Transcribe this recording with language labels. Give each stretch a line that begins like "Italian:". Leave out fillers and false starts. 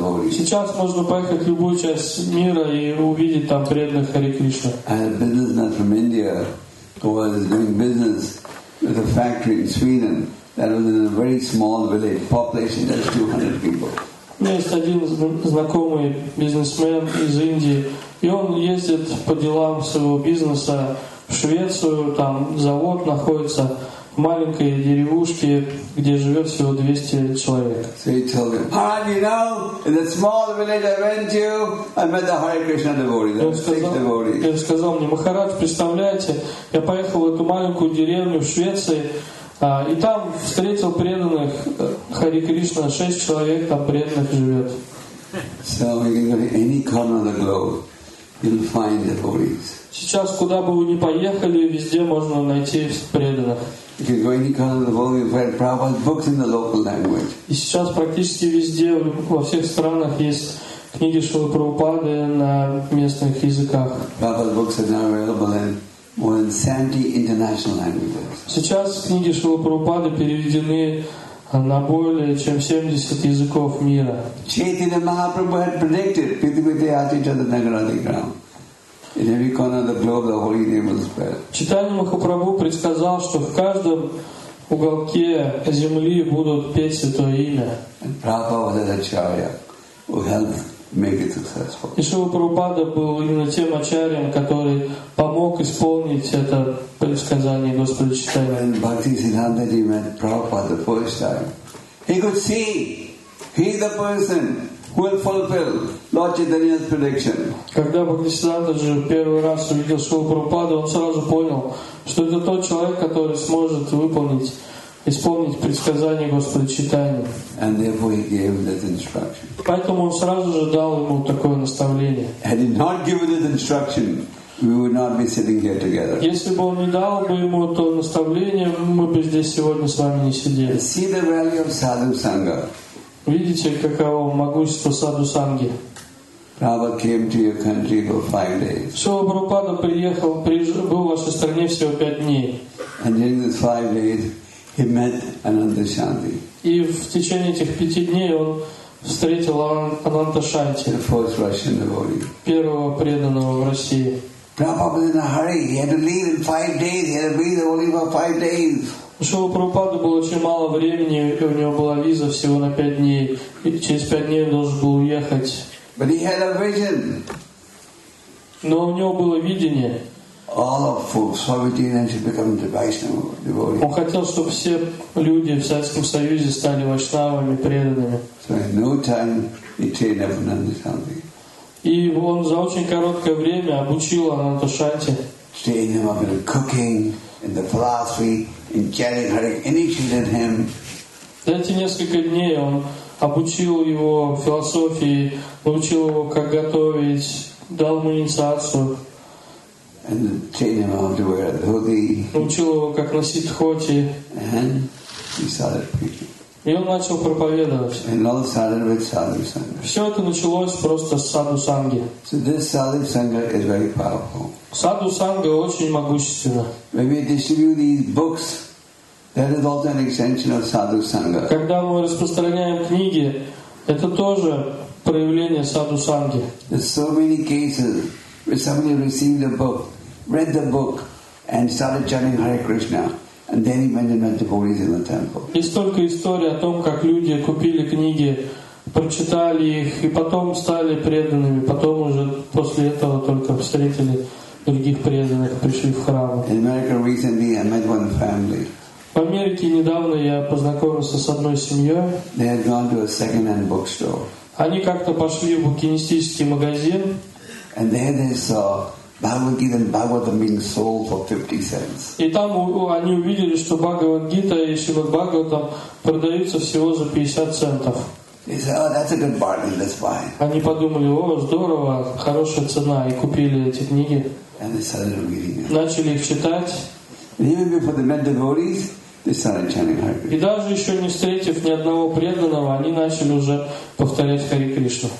Russian: Сейчас можно поехать в любую часть мира и увидеть там преданных Хари Кришна.
English: A businessman from India was doing business with a factory in Sweden that was in a very small village, population just 200 people.
Russian: У меня есть один знакомый бизнесмен из Индии, и он ездит по делам своего бизнеса в Швецию, там завод находится в маленькой деревушке, где живет всего 200 человек.
English: So he told him, Maharaj, you know, in the small village I went to, I met the Hare Krishna devotees, the six devotees.
Russian: Он сказал мне, Махарадж, представляете, я поехал в эту маленькую деревню в Швеции, и там встретил преданных Хари Кришна, 6 человек там преданных живет.
English: So you can go to any corner of the globe, you'll find devotees.
Russian: Сейчас куда бы вы ни поехали, везде можно найти преданных.
English: You can go any corner of the globe, you'll find Prabhupada's books in the local language.
Russian: И сейчас практически везде во всех странах есть книги Шрилы Прабхупады на местных языках.
English: Prabhupada's books are now available in more than 70 international languages.
Russian: Сейчас книги Шрилы Прабхупады переведены на более чем 70 языков мира.
English: Chaitanya Mahaprabhu had predicted
Sanskrit: Pithipithi Atichada Nagaradikram.
English: In every corner of the globe, the holy name will spread.
Russian: Chaitanya Mahaprabhu предсказал, что в каждом уголке земли будут петь святое имя.
English: And Prabhupada was an acharya who helped make it successful.
Russian: И Шрила Прабхупада был именно тем ачарьем, который помог исполнить это предсказание Господа Чайтанья.
English: When Bhakti Siddhanta ji met Prabhupada the first time, he could see he's the person who will fulfill Lord Chaitanya's prediction.
Russian: Когда Бхакти Сиддханта ji первый раз увидел Шрилу Прабхупаду, он сразу понял, что это тот человек, который сможет выполнить исполнить предсказание Господа Чайтанья.
English: And therefore he gave this instruction.
Russian: Поэтому он сразу же дал ему такое наставление.
English: Had he not given this instruction, we would not be sitting here together.
Russian: Если бы он не дал бы ему то наставление, мы бы здесь сегодня с вами не сидели.
English: See the value of Sadhu Sangha.
Russian: Видите, каково могущество Sadhu Sanghi.
English: Prabhupada came to your country for 5 days.
Russian: Шрила Прабхупада приехал, был в вашей стране всего 5 дней.
English: And during these 5 days, he met Ananta Shanti.
Russian: И в течение этих 5 дней он встретил Ананта Шанти.
English: The first Russian devotee.
Russian: Первого преданного в России.
English: Prabhupada was in a hurry. He had to leave in 5 days. He had a visa only for 5 days.
Russian: У Шрилы Прабхупады было очень мало времени, и у него была виза всего на 5 дней. И через 5 дней он должен был уехать.
English: But he had a vision.
Russian: Но у него было видение.
English: All of folks, Sovietians should become the Vaishnava devotees.
Russian: Он хотел, чтобы все люди в Советском Союзе стали вайшнавами, преданными.
English: So in no time, he trained up Ananta Shanti.
Russian: И он за очень короткое время обучил Ананта Шанти.
English: Trained him up in cooking, in the philosophy, in chanting Hare, initiated him.
Russian: За эти несколько дней он обучил его философии, научил его как готовить, дал ему инициацию.
English: And trained him how to wear a dhoti.
Russian: Научил его как носить дхоти.
English: And he started preaching.
Russian: И он начал проповедовать.
English: And all started with Sadhu Sangha.
Russian: Все это началось просто с Sadhu Sangha.
English: So this Sadhu Sangha is very powerful.
Russian: Sadhu Sangha очень могущественна.
English: When we distribute these books, that is also an extension of Sadhu Sangha.
Russian: Когда мы распространяем книги, это тоже проявление Sadhu Sangha.
English: There's so many cases. If somebody received a book, read the book, and started chanting Hare Krishna, and then he went and met devotees in the temple.
Russian: Есть столько историй о том, как люди купили книги, прочитали их, и потом стали преданными. Потом уже после этого только встретили других преданных пришли в храм.
English: In America recently I met one family.
Russian: В Америке недавно я познакомился с одной семьей.
English: They had gone to a second-hand bookstore.
Russian: Они как-то пошли в букинистический магазин.
English: And there they saw Bhagavad-gita and Bhagavatam being sold for 50 cents.
Russian: И там они увидели, что Бхагавад-гита и Шримад-Бхагаватам продаются всего за 50 центов.
English: They said, "Oh, that's a good bargain. Let's buy."
Russian: Они подумали: "О, здорово, хорошая цена", и купили эти книги.
English: And they started reading them.
Russian: Начали их читать.
English: Even before they met devotees, they started chanting Hare Krishna.
Russian: И даже еще не встретив ни одного преданного, они начали уже повторять Хари Кришну.